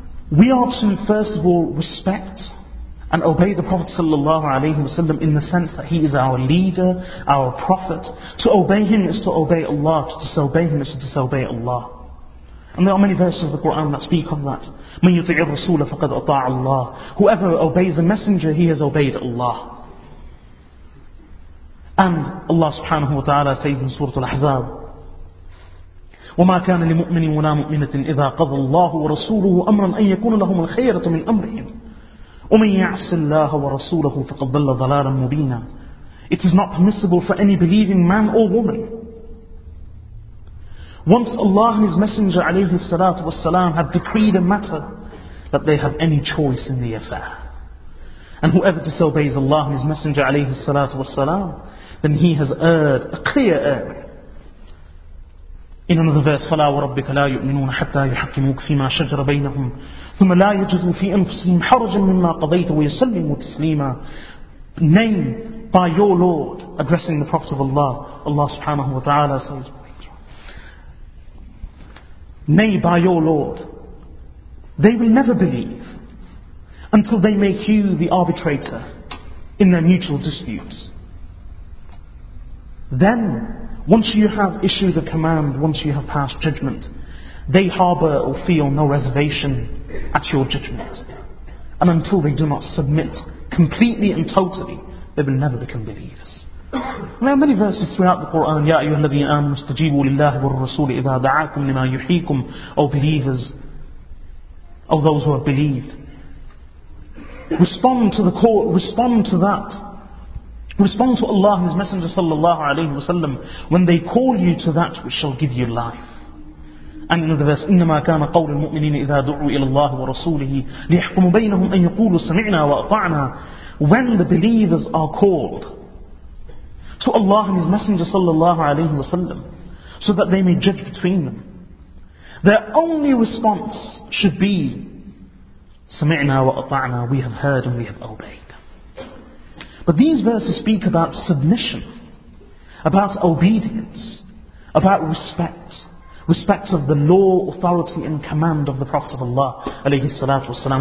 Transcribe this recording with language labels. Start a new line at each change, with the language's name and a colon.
English: We are to, first of all, respect and obey the Prophet sallallahu alaihi wasallam in the sense that he is our leader, our prophet. To obey him is to obey Allah. To disobey him is to disobey Allah. And there are many verses of the Quran that speak of that.
Arabic: مَنْ يُطِعِ الرَّسُولَ فَقَدْ أَطَاعَ اللَّهِ.
English: Whoever obeys a messenger, he has obeyed Allah. And Allah subhanahu wa ta'ala says in Surah Al-Ahzab,
Arabic: وَمَا كَانَ لِمُؤْمِنٍ وَلَا مُؤْمِنَةٍ إِذَا قَضَى اللَّهُ وَرَسُولُهُ أَمْرًا أَنْ يَكُونَ لَهُمُ الْخِيَرَةُ مِنْ أَمْرِهِمْ وَمَنْ يَعْصِ اللَّهَ وَرَسُولَهُ فَقَدْ ضَلَّ ضَلَالًا مُبِينًا.
English: It is not permissible for any believing man or woman, once Allah and His Messenger alayhi salatu wasalam have decreed a matter, that they have any choice in the affair. And whoever disobeys Allah and His Messenger alayhi salatu wasalam, then he has erred, a clear error. In another verse,
Arabic: فَلَا وَرَبِّكَ لَا يُؤْمِنُونَ حَتَّى يُحَكِّمُوكَ فِي مَا شَجَرَ بَيْنَهُمْ ثُمَّ لَا يَجِدُوا فِي أَنفُسِهِمْ حَرَجًا مِمَّا قَضَيْتَ وَيَسَلِّمُوا تَسْلِيمًا.
English: Name by your Lord, addressing the Prophet of Allah, Allah subhanahu wa ta'ala says, nay, by your Lord, they will never believe until they make you the arbitrator in their mutual disputes. Then, once you have issued a command, once you have passed judgment, they harbour or feel no reservation at your judgment. And until they do not submit completely and totally, they will never become believers. There are many verses throughout the Quran,
Arabic: يَا أَيُّهَا الَّذِينَ آمَنُوا اسْتَجِيبُوا لِلَّهِ وَالرَّسُولِ إِذَا دَعَاكُمْ لِمَا يُحْيِيكُمْ.
English: O believers, O those who have believed, respond to the call, respond to that. Respond to Allah and His Messenger sallallahu alayhi wa sallam when they call you to that which shall give you life. And in another verse,
Arabic: إِنَّمَا كَانَ قَوْلِ الْمُؤْمِنِينَ إِذَا دُعُوا إِلَى اللَّهِ وَرَسُولِهِ لِيَحْكُمُ بَيْنَهُمْ أَن يَقُولُوا سَمِعْنَا وَأَطَعْنَا.
English: When the believers are called to Allah and His Messenger sallallahu alayhi wa sallam so that they may judge between them, their only response should be,
Arabic: سَمِعْنَا وَأَطَعْنَا.
English: We have heard and we have obeyed. But these verses speak about submission, about obedience, about respect, respect of the law, authority and command of the Prophet of Allah alayhi salatu wasalam.